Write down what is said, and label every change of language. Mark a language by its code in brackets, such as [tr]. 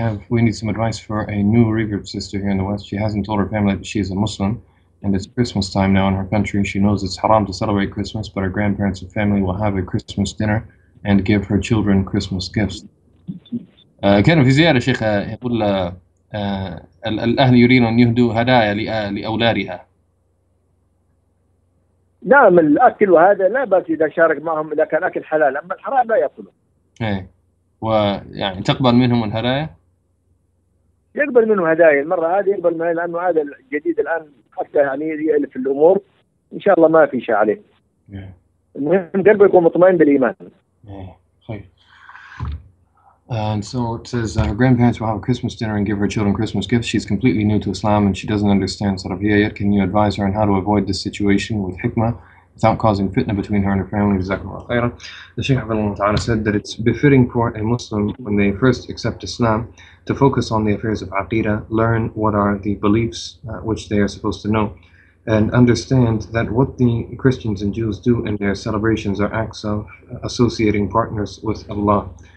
[en] We need some advice for a new revert sister here in the West. She hasn't told her family that she's a Muslim, and it's Christmas time now in her country. She knows it's haram to celebrate Christmas, but her grandparents and family will have a Christmas dinner and give her children Christmas gifts. [ar] كان في زيارة شيخ يقول الأهل يريدون أن يهدوا هدايا لأولادها. نعم، الأكل وهذا لا بأس إذا شارك معهم إذا كان أكل حلال، أما الحرام لا يأكله. ويعني تقبل منهم الهدايا؟ يقبل منهم هدايا المرة هذه، يقبل منهم، لأنه هذا الجديد الآن حتى يعني يألف الأمور إن شاء الله ما في شيء عليه. المهم قلبه يكون مطمئن بالإيمان. [en] And so it says her grandparents will have a Christmas dinner and give her children Christmas gifts. She's completely new to Islam and she doesn't understand Sarabiyya yet. Can you advise her on how to avoid this situation with hikmah without causing fitna between her and her family? Jazakallah khairan. The Shaykh Hafidhullah Ta'ala said that it's befitting for a Muslim when they first accept Islam to focus on the affairs of aqidah, learn what are the beliefs which they are supposed to know, and understand that what the Christians and Jews do in their celebrations are acts of associating partners with Allah.